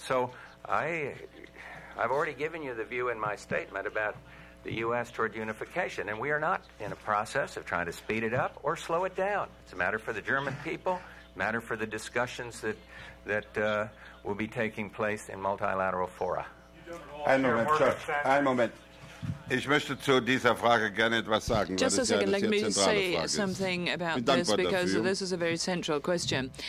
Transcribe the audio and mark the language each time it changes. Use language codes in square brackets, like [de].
[en] So I've already given you the view in my statement about the U.S. toward unification, and we are not in a process of trying to speed it up or slow it down. It's a matter for the German people, matter for the discussions that will be taking place in multilateral fora. [de] Ein Moment, Church. Ein Moment. Ich möchte zu dieser Frage gerne etwas sagen. [en] Just a second, let me say something about this, because this is a very central question.